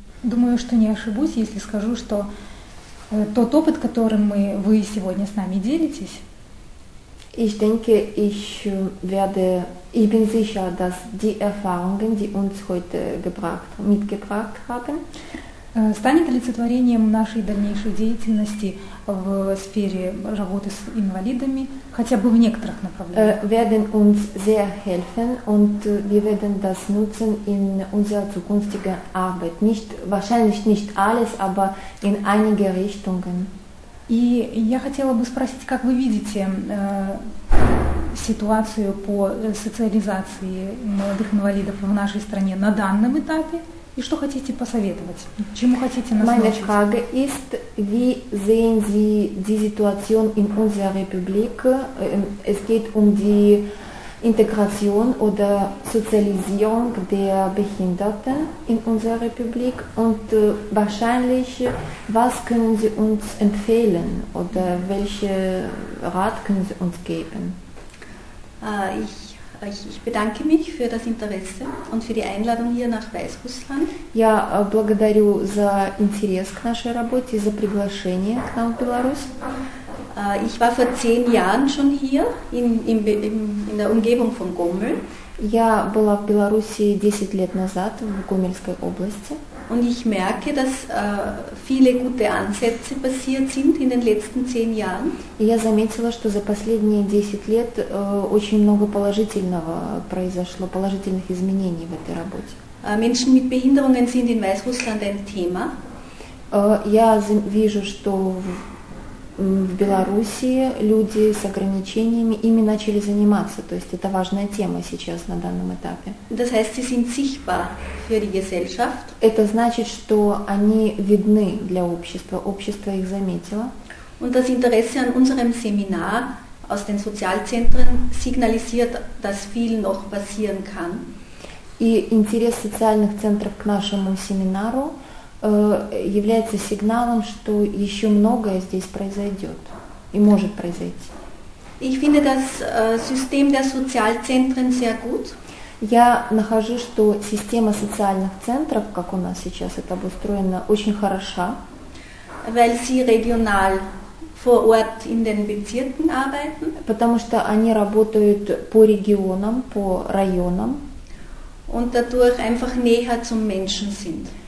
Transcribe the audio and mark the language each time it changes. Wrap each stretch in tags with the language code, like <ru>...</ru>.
<ru>Думаю, что не ошибусь, если скажу, что тот опыт, которым вы сегодня с нами делитесь.</ru> <de>Ich denke, ich bin sicher, dass die Erfahrungen, die uns heute mitgebracht haben,</de> <ru>станет олицетворением нашей дальнейшей деятельности в сфере работы с инвалидами, хотя бы в некоторых направлениях.</ru> <de>Werden uns sehr helfen und wir werden das nutzen in unserer zukünftigen Arbeit. Nicht, wahrscheinlich nicht alles, aber in einige Richtungen.</de> <ru>И я хотела бы спросить, как вы видите ситуацию по социализации молодых инвалидов в нашей стране на данном этапе? И что хотите посоветовать? Чему хотите нас научить?</ru> <de>Meine Frage ist, wie sehen Sie die Situation in unserer Republik? Es geht die Integration oder Sozialisierung der Behinderten in unserer Republik. Und wahrscheinlich, was können Sie uns empfehlen? Oder welche Rat können Sie uns geben? Ich bedanke mich für das Interesse und für die Einladung hier nach Weißrussland.</de> <ru>Я благодарю за интерес к нашей работе, за приглашение к нам в Беларусь.</ru> <de>Ich war vor 10 Jahren schon hier in der Umgebung von Gomel.</de> <ru>Я была в Беларуси 10 лет назад в Гомельской области.</ru> <de>Und ich merke, dass viele gute Ansätze passiert sind in den letzten 10 Jahren.</de> <ru>Я заметила, что за последние 10 лет очень много положительного произошло, положительных изменений в этой работе.</ru> <de>Menschen mit Behinderungen sind in Weißrussland ein Thema.</de> <ru>Я вижу, что в Белоруссии люди с ограничениями ими начали заниматься, то есть это важная тема сейчас на данном этапе.</ru> <de>Das heißt, sie sind sichtbar für die Gesellschaft.</de> <ru>Это значит, что они видны для общества, общество их заметило.</ru> <de>Und das Interesse an unserem Seminar aus den Sozialzentren signalisiert, dass viel noch passieren kann.</de> <ru>И интерес социальных центров к нашему семинару является сигналом, что еще многое здесь произойдет и может произойти.</ru> <de>Ich finde das System der Sozialzentren sehr gut.</de> <ru>Я нахожу, что система социальных центров, как у нас сейчас это обустроено, очень хороша.</ru> <de>Weil sie regional vor Ort in den Bezirken arbeiten.</de> <ru>Потому что они работают по регионам, по районам.</ru> <de>Und dadurch einfach näher zum Menschen sind.</de>